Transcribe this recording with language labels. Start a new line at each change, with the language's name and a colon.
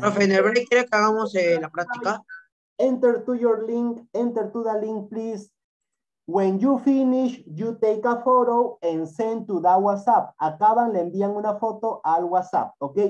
Spanish: Profe, ¿en el break quiere que hagamos la práctica?
English: Enter to the link, please. When you finish, you take a photo and send to the WhatsApp.
Spanish: Acaban, le envían una foto al WhatsApp, ¿ok?